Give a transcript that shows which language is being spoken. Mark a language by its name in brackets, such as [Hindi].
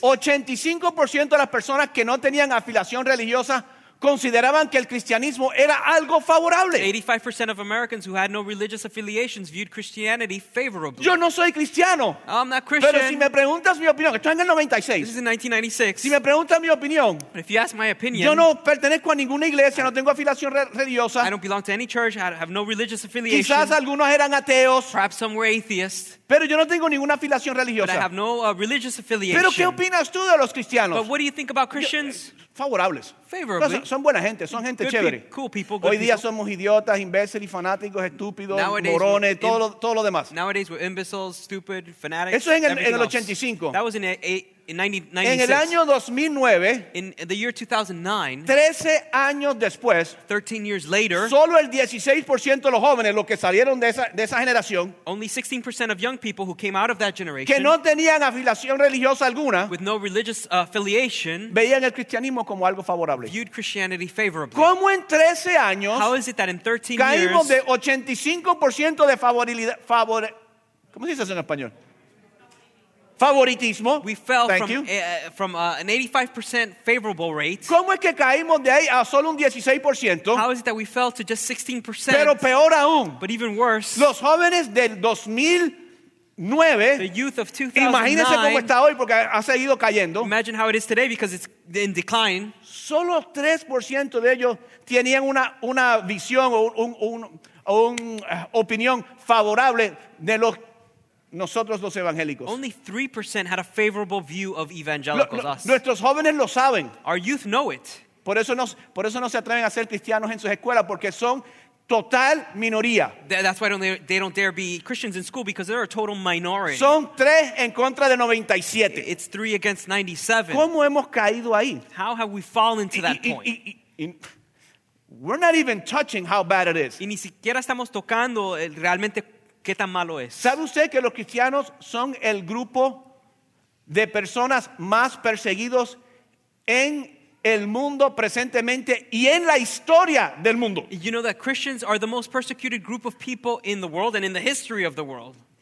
[Spanish] 85% de las personas que no tenían afiliación religiosa consideraban que el cristianismo era algo favorable. [English] 85% of Americans who had no religious affiliations viewed Christianity favorably. [Spanish] Yo no soy cristiano. [English] I'm not Christian. [Spanish] Pero si me preguntas mi opinión, esto es en el 96. [English] This is in 1996. [Spanish] Si me preguntas mi opinión, [English] but if you ask my opinion, [Spanish] yo no pertenezco a ninguna iglesia, no tengo afiliación religiosa. [English] I don't belong to any church, I have no religious affiliation. [Spanish] Quizás algunos eran ateos. [English] Perhaps some were atheists. [Spanish] Pero yo no tengo ninguna afiliación religiosa. [English] But I have no religious affiliation. [Spanish] ¿Pero qué opinas tú de los cristianos? [English] But what do you think about Christians? [Spanish] Favorables. [English] Favorably. No, [Spanish] son buena gente, son gente [English] good [Spanish] chévere. [English] Cool people, [Spanish] Hoy día [English] people. [Spanish] Somos idiotas, imbéciles, fanáticos, estúpidos, [English] nowadays [Spanish] morones, todo lo demás. [English] Nowadays we're imbeciles, stupid, fanatics. [Spanish] Eso es en el 85. [English] That was in 1996. [Spanish] En el año 2009, [English] in the year 2009, [Spanish] 13 años después, [English] 13 years later, [Spanish] solo el 16% de los jóvenes, los que salieron de esa generación, [English] only 16% of young people who came out of that generation, [Spanish] que no tenían afiliación religiosa alguna, [English] with no religious affiliation, [Spanish] veían el cristianismo como algo favorable. [English] Viewed Christianity favorably. [Spanish] ¿Cómo en 13 años, [English] how is it that in 13 [Spanish] caímos [English] years, [Spanish] de 85% de favor, ¿cómo se dice eso en español? Favoritismo. [English] We fell Thank from, you. An 85% favorable rate. [Spanish] ¿Cómo es que caímos de ahí a solo un 16%? [English] How is it that we fell to just 16%? [Spanish] Pero peor aún. [English] But even worse. [Spanish] Los jóvenes del 2009. [English] The youth of 2009. [Spanish] Imagínense cómo está hoy porque ha seguido cayendo. [English] Imagine how it is today because it's in decline. [Spanish] Solo 3% de ellos tenían una visión o un opinión favorable de los Nosotros los evangélicos. [English] Only 3% had a favorable view of evangelicals. [Spanish] Nuestros jóvenes lo saben. [English] Our youth know it. [Spanish] Por eso no se atreven a ser cristianos en sus escuelas porque son total minoría. [English] That's why they don't dare be Christians in school because they're a total minority. [Spanish] Son 3 en contra de 97. [English] It's 3 against 97. [Spanish] ¿Cómo hemos caído ahí? [English] How have we fallen to that point? We're not even touching how bad it is. [Spanish] Y ni siquiera estamos tocando realmente. ¿Qué tan malo es? ¿Sabe usted que los cristianos son el grupo de personas más perseguidos en el mundo presentemente y en la historia del mundo? [English] You know that Christians are the most persecuted group of people in the world and in the history of the world.